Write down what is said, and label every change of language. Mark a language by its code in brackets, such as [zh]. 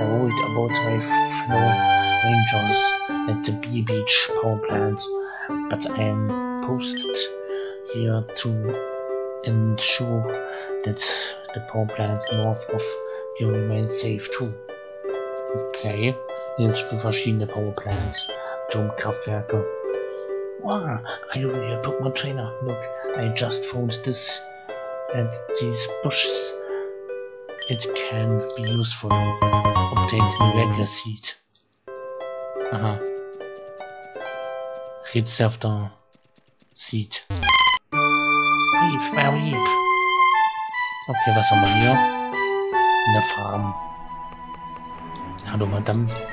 [en] I worried about my fellow Rangers at the Bee Beach Power Plant, but I am posted here to ensure that the power plant north of you remains safe too. [de] Okay, hier sind für verschiedene Power Plants, Atomkraftwerke. [en] Wow, are you a Pokemon trainer? Look, I just found this and these bushes. It can be useful. Obtained miraculous seed. Aha. [de] Rätselhafter Seed. Weep, my weep. Okay, was haben wir hier? In der Farm. Hallo, Madame.